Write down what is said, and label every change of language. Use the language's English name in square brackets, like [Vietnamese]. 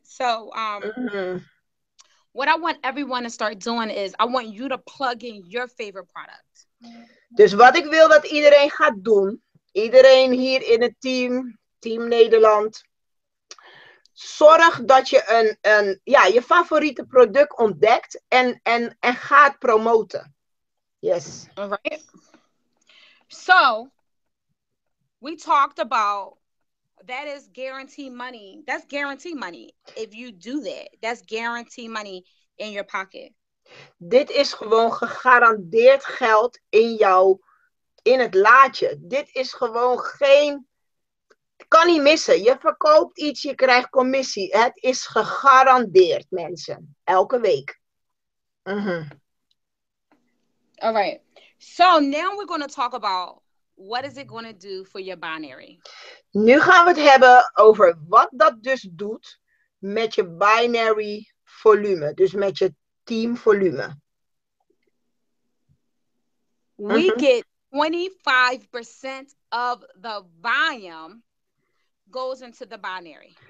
[English] So what I want everyone to start doing is I want you to plug in your favorite product. [Dutch] Dus wat ik wil dat iedereen gaat doen. Iedereen hier in het team Nederland. Zorg dat je je favoriete product ontdekt en gaat promoten. [English] Yes. All right. So, we talked about that is guarantee money. That's guarantee money. If you do that, that's guarantee money in your pocket. [Dutch] Dit is gewoon gegarandeerd geld in het laadje. Dit is gewoon geen... Kan niet missen. Je verkoopt iets, je krijgt commissie. Het is gegarandeerd, mensen. Elke week. Mm-hmm. [English] All right, so now we're going to talk about what is it going to do for your binary. [Dutch] Nu gaan we het hebben over wat dat dus doet met je binary volume, dus met je team volume. [English] We get 25% of the volume goes into the binary.